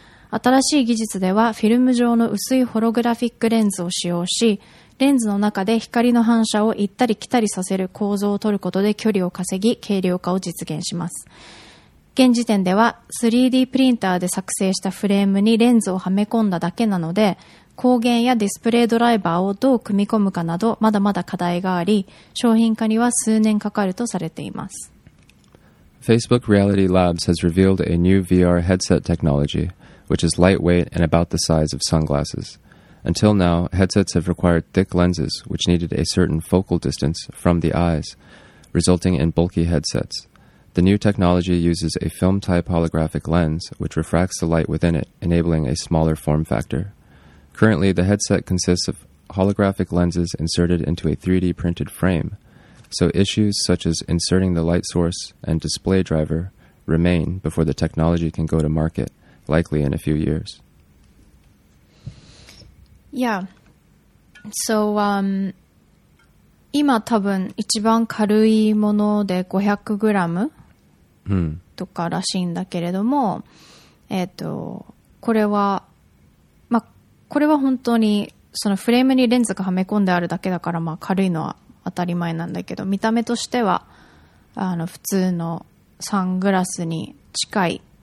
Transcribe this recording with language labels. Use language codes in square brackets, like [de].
[ja] 新しい技術ではフィルム状の薄いホログラフィックレンズを使用し、レンズの中で光の反射を行ったり来たりさせる構造を取ることで距離を稼ぎ、軽量化を実現します。現時点では 3D プリンターで作成したフレームにレンズをはめ込んだだけなので、光源やディスプレイドライバーをどう組み込むかなどまだまだ課題があり、商品化には数年かかるとされています。 [en] Facebook Reality Labs has revealed a new VR headset technology, which is lightweight and about the size of sunglasses. Until now, headsets have required thick lenses, which needed a certain focal distance from the eyes, resulting in bulky headsets. The new technology uses a film-type holographic lens, which refracts the light within it, enabling a smaller form factor. Currently, the headset consists of holographic lenses inserted into a 3D printed frame, so issues such as inserting the light source and display driver remain before the technology can go to market, likely in a few years. Yeah. [ja] So, 今多分一番軽いもので 500g とからしいんだけれども、これは、まあ、これは本当にそのフレームにレンズがはめ込んであるだけだから、まあ、軽いのは当たり前なんだけど、見た目としては、普通のサングラスに近い。